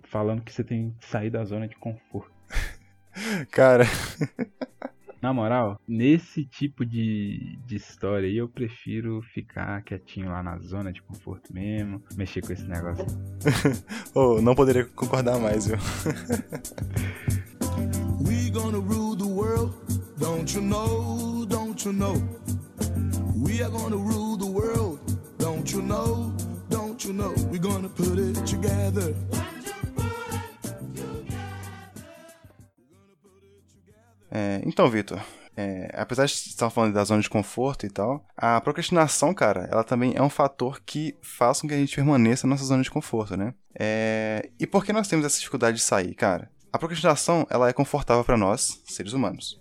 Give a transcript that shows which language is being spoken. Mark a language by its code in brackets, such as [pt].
[pt] Falando que você tem que sair da zona de conforto. Cara. Na moral, nesse tipo de história aí, eu prefiro ficar quietinho lá na zona de conforto mesmo, mexer com esse negócio. Oh, não poderia concordar mais, viu? [en] We gonna rule the world, don't you know, don't you know? We are gonna rule the world, don't you know, don't you know? We gonna put it together. [pt] É, então, Vitor, apesar de estar falando da zona de conforto e tal, a procrastinação, cara, ela também é um fator que faz com que a gente permaneça na nossa zona de conforto, né? E por que nós temos essa dificuldade de sair, cara? A procrastinação, ela é confortável para nós, seres humanos.